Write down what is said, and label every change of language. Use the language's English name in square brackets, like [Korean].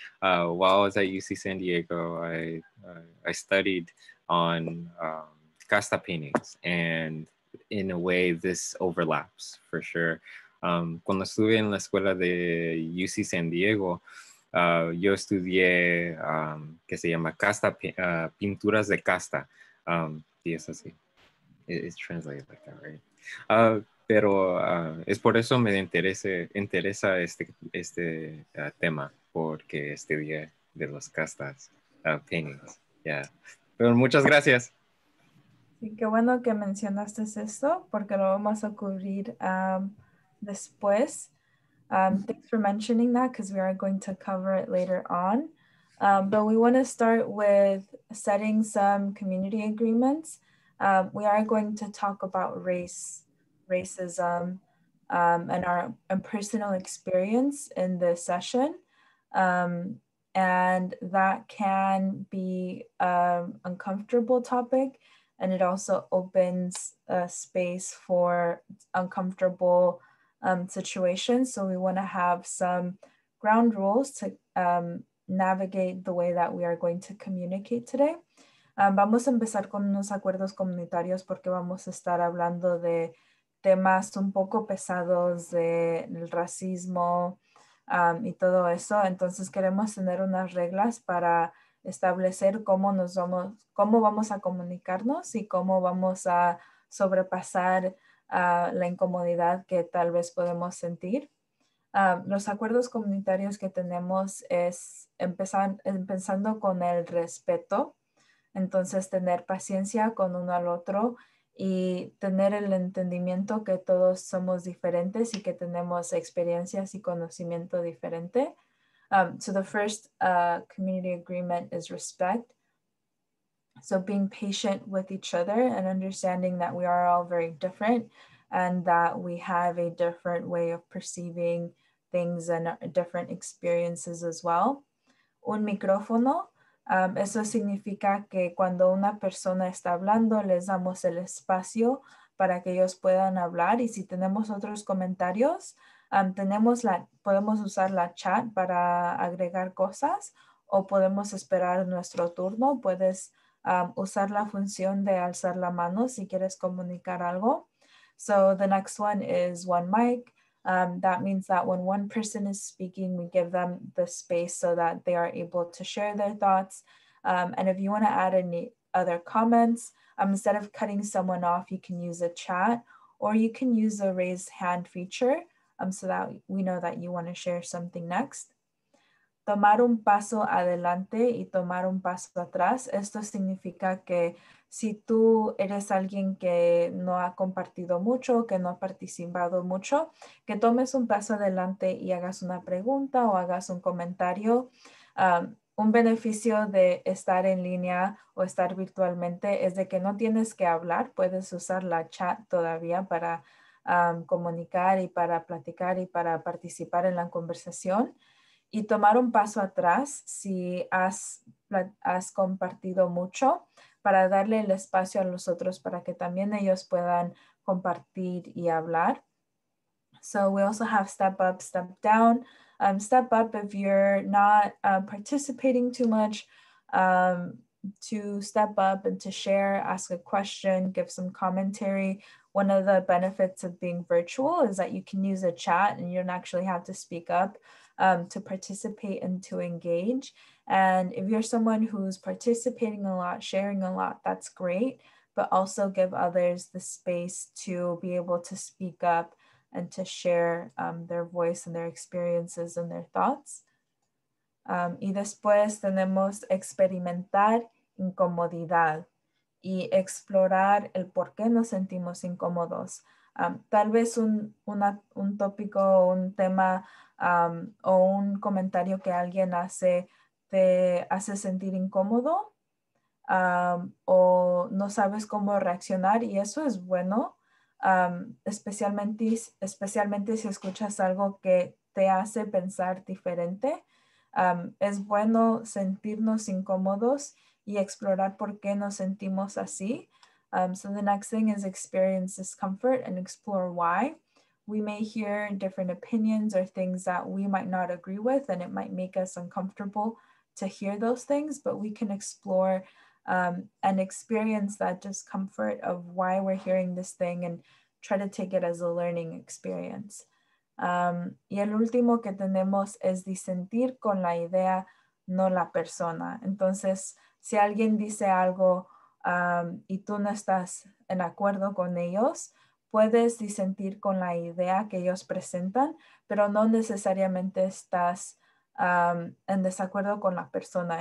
[English] While I was at UC San Diego, I studied on casta paintings, and in a way, this overlaps for sure. [Spanish] Cuando estuve en la escuela de UC San Diego, yo estudié que se llama casta pinturas de casta. Y es así. [English] It's translated like that, right? [Spanish] Es por eso me interesa este tema, porque estudié de los castas, [English] paintings, yeah. [Spanish] Pero muchas gracias. Sí, qué bueno que mencionaste esto, porque lo vamos a cubrir después. [English] Thanks for mentioning that, because we are going to cover it later on. But we want to start with setting some community agreements. We are going to talk about racism and our personal experience in this session. And that can be an uncomfortable topic, and it also opens a space for uncomfortable situations. So we want to have some ground rules to navigate the way that we are going to communicate today. [Spanish] Vamos a empezar con unos acuerdos comunitarios porque vamos a estar hablando de temas un poco pesados del racismo y todo eso. Entonces queremos tener unas reglas para establecer cómo nos vamos, cómo vamos a comunicarnos y cómo vamos a sobrepasar la incomodidad que tal vez podemos sentir. Los acuerdos comunitarios que tenemos es empezando con el respeto, entonces tener paciencia con uno al otro y tener el entendimiento que todos somos diferentes y que tenemos experiencias y conocimiento diferente. [English] So the first community agreement is respect. So being patient with each other and understanding that we are all very different and that we have a different way of perceiving things and different experiences as well. [Spanish] Un micrófono, eso significa que cuando una persona está hablando, les damos el espacio para que ellos puedan hablar. Y si tenemos otros comentarios, podemos usar la chat para agregar cosas o podemos esperar nuestro turno. Puedes usar la función de alzar la mano si quieres comunicar algo. [English] So the next one is one mic. That means that when one person is speaking, we give them the space so that they are able to share their thoughts. And if you want to add any other comments, instead of cutting someone off, you can use a chat or you can use the raise hand feature so that we know that you want to share something next. [Spanish] Tomar un paso adelante y tomar un paso atrás. Esto significa que si tú eres alguien que no ha compartido mucho, que no ha participado mucho, que tomes un paso adelante y hagas una pregunta o hagas un comentario. Un beneficio de estar en línea o estar virtualmente es de que no tienes que hablar. Puedes usar la chat todavía para comunicar y para platicar y para participar en la conversación. Y tomar un paso atrás si has compartido mucho para darle el espacio a los otros para que también ellos puedan compartir y hablar. [English] So we also have step up, step down. Step up if you're not participating too much, to step up and to share, ask a question, give some commentary. One of the benefits of being virtual is that you can use a chat and you don't actually have to speak up. To participate and to engage. And if you're someone who's participating a lot, sharing a lot, that's great, but also give others the space to be able to speak up and to share their voice and their experiences and their thoughts. [Spanish] Y después tenemos experimentar incomodidad y explorar el por qué nos sentimos incómodos. Tal vez un tópico o un tema o un comentario que alguien hace te hace sentir incómodo o no sabes cómo reaccionar y eso es bueno, especialmente si escuchas algo que te hace pensar diferente. Es bueno sentirnos incómodos y explorar por qué nos sentimos así. [English] So the next thing is experience discomfort and explore why. We may hear different opinions or things that we might not agree with, and it might make us uncomfortable to hear those things, but we can explore and experience that discomfort of why we're hearing this thing and try to take it as a learning experience. [Spanish] Y el último que tenemos es disentir con la idea, no la persona. Entonces, si alguien dice algo y tú no estás en acuerdo con ellos, puedes disentir con la idea que ellos presentan, pero no necesariamente estás en desacuerdo con la persona.